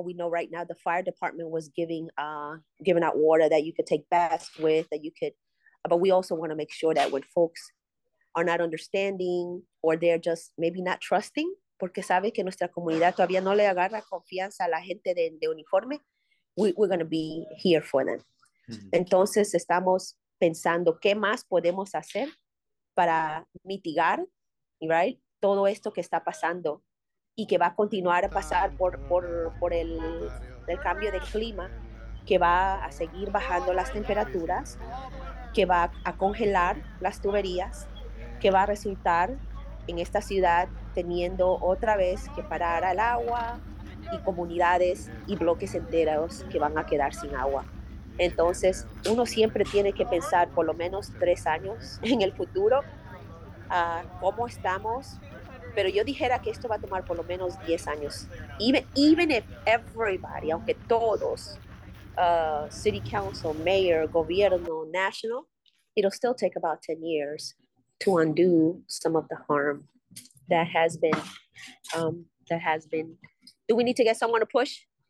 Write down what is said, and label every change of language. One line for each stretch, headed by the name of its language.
English: We know right now the fire department was giving out water that you could take baths with, that you could, but we also want to make sure that when folks are not understanding or they're just maybe not trusting,
Spanish: porque sabe que nuestra comunidad todavía no le agarra confianza a la gente de uniforme,
English: we're going to be here for them. Mm-hmm.
Spanish: Entonces estamos pensando qué más podemos hacer para mitigar, right, todo esto que está pasando y que va a continuar a pasar por el cambio de clima, que va a seguir bajando las temperaturas, que va a congelar las tuberías, que va a resultar en esta ciudad teniendo otra vez que parar al agua y comunidades y bloques enteros que van a quedar sin agua. Entonces, uno siempre tiene que pensar por lo menos 3 años en el futuro, cómo estamos. Pero yo dijera que esto va a tomar por lo menos 10 años.
English: Even if everybody,
Spanish: aunque todos,
English: city council, mayor, gobierno, national, it'll still take about 10 years to undo some of the harm that has been, do we need to get someone to push?